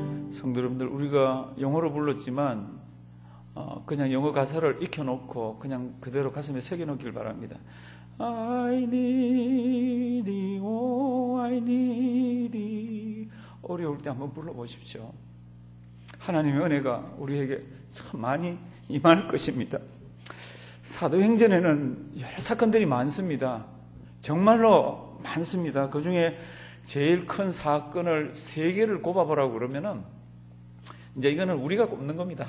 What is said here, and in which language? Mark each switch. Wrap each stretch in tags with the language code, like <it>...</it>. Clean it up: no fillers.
<ko>성도 여러분들, 우리가 영어로 불렀지만 그냥 영어 가사를 익혀놓고 그냥 그대로 가슴에 새겨놓길 바랍니다.</ko> <en>I need thee, oh I need thee.</en> <ko>어려울 때 한번 불러보십시오. 하나님의 은혜가 우리에게 참 많이 임할 것입니다. 사도행전에는 여러 사건들이 많습니다. 정말로 많습니다. 그 중에 제일 큰 사건을 세 개를 꼽아보라고 그러면은 이제 이거는 우리가 꼽는 겁니다.</ko>